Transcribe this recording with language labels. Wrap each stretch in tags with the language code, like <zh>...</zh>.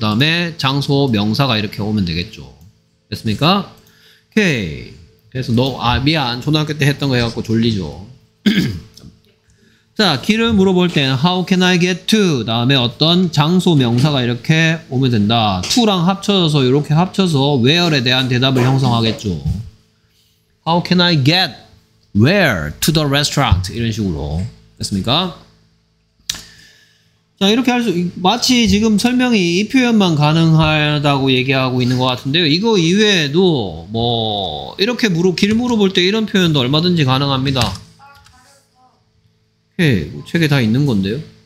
<ko>다음에 장소, 명사가 이렇게 오면 되겠죠. 됐습니까? 오케이. 그래서 너, 아 미안. 초등학교 때 했던 거 해갖고 졸리죠. 자, 길을 물어볼 땐</ko> <en>How can I get to?</en> <ko>다음에 어떤 장소 명사가 이렇게 오면 된다. To랑 합쳐져서 이렇게 합쳐서 Where에 대한 대답을 형성하겠죠.</ko> <en>How can I get where to the restaurant?</en> <ko>이런 식으로 됐습니까? 자, 이렇게 할 수 마치 지금 설명이 이 표현만 가능하다고 얘기하고 있는 것 같은데요. 이거 이외에도 뭐 이렇게 길 물어볼 때 이런 표현도 얼마든지 가능합니다. 예, 뭐 책에 다 있는 건데요.</ko>